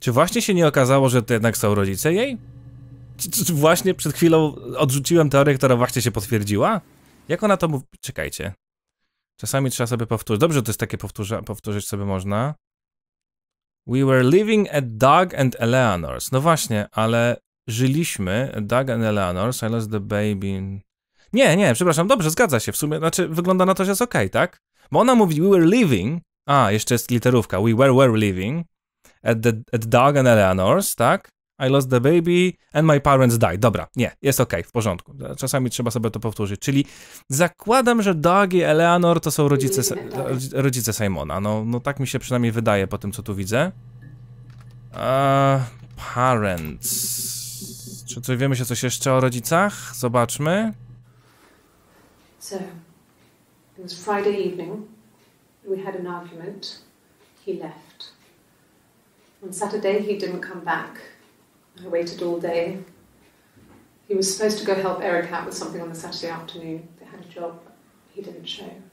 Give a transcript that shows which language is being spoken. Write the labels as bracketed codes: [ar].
[pl] Czy właśnie się nie okazało, że to jednak są rodzice jej? Czy właśnie przed chwilą odrzuciłem teorię, która właśnie się potwierdziła? Jak ona to mówi? Czekajcie. Czasami trzeba sobie powtórzyć. Dobrze, że to jest takie powtórzyć sobie można. [en] We were living at Doug and Eleanor's. [pl] No właśnie, ale żyliśmy [en] at Doug and Eleanor's. I lost the baby. [pl] Nie, przepraszam. Dobrze, zgadza się. W sumie, znaczy, wygląda na to, że jest okej, okay, tak? Bo ona mówi, [en] we were living. [pl] A, jeszcze jest literówka. [en] We were living at Doug and Eleanor's, tak? I lost the baby and my parents died. [pl] Dobra, nie, jest okej, okay, w porządku. Czasami trzeba sobie to powtórzyć. Czyli zakładam, że Doug i Eleanor to są rodzice Simona. No, tak mi się przynajmniej wydaje po tym, co tu widzę. Parents. Czy coś wiemy się coś jeszcze o rodzicach? Zobaczmy. [en] So, it was Friday evening. We had an argument. He left. On Saturday he didn't come back. I waited all day. He was supposed to go help Eric out with something on the Saturday afternoon. They had a job. He didn't show.